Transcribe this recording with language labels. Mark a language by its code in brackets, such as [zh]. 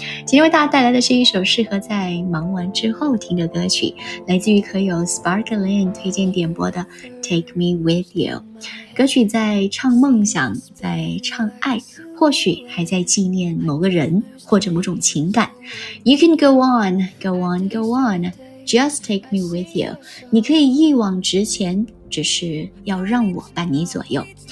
[zh] 今天为大家带来的是一首适合在忙完之后听的歌曲，来自于可友 Sparkling 推荐点播的 Take Me With You。歌曲在唱梦想，在唱爱，或许还在纪念某个人或者某种情感。 [en] You can go on, go on, go on, just take me with you. [zh] 你可以一往直前，只是要让我伴你左右。